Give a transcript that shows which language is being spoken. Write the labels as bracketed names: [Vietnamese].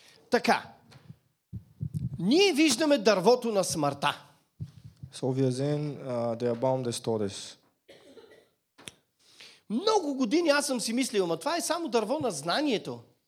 [Bulgarian] Така, ние виждаме дървото на смъртта. [German] So, wir sehen der Baum des Todes. [Bulgarian] Много години аз съм си мислил, ама това е само дърво на знанието.